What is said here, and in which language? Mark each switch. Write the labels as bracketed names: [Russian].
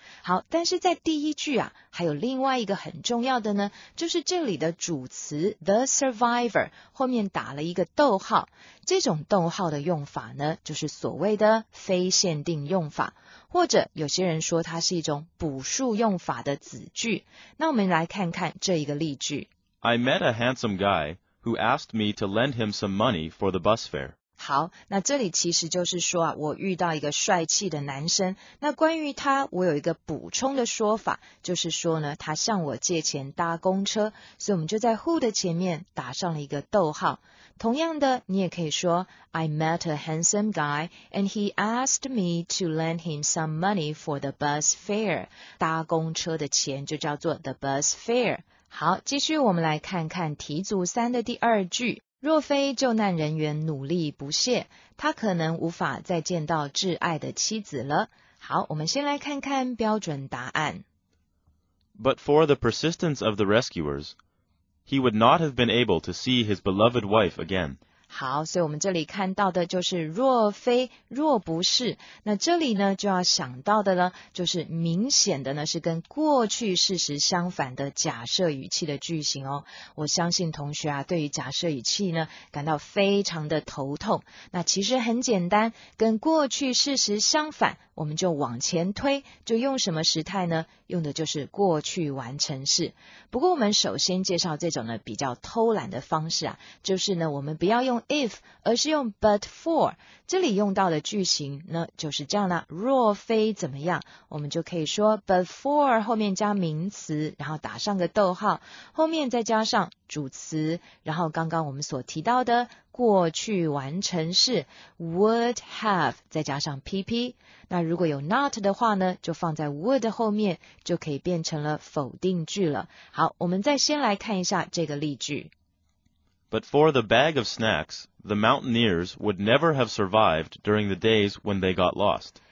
[Chinese] 好，但是在第一句啊，还有另外一个很重要的呢，就是这里的主词 the survivor 后面打了一个逗号。这种逗号的用法呢，就是所谓的非限定用法，或者有些人说它是一种补述用法的子句。那我们来看看这一个例句。 [English] I met a handsome guy who asked me to lend him some money for the bus fare. [Chinese] 好，那这里其实就是说啊，我遇到一个帅气的男生，那关于他我有一个补充的说法，就是说呢，他向我借钱搭公车，所以我们就在 who 的前面打上了一个逗号。同样的，你也可以说 [English] I met a handsome guy and he asked me to lend him some money for the bus fare. [Chinese] 搭公车的钱就叫做 [English] the bus fare。 [Chinese] 好，继续我们来看看题组三的第二句。若非救难人员努力不懈，他可能无法再见到挚爱的妻子了。好，我们先来看看标准答案。 [English] But for the persistence of the rescuers, he would not have been able to see his beloved wife again. [Chinese] 好，所以我们这里看到的就是若非若不是。那这里呢就要想到的呢，就是明显的呢是跟过去事实相反的假设语气的句型哦。我相信同学啊对于假设语气呢感到非常的头痛。那其实很简单，跟过去事实相反我们就往前推，就用什么时态呢？用的就是过去完成式。不过我们首先介绍这种呢比较偷懒的方式啊，就是呢我们不要用 if， 而是用 but for。这里用到的句型呢就是这样啦，若非怎么样，我们就可以说 but for 后面加名词，然后打上个逗号，后面再加上主词，然后刚刚我们所提到的过去完成式 would have， 再加上 PP。那如果有 not 的话呢，就放在 would 后面，就可以变成了否定句了。好，我们再先来看一下这个例句。 [English] But for the bag of snacks, the mountaineers would never have survived during the days when they got lost.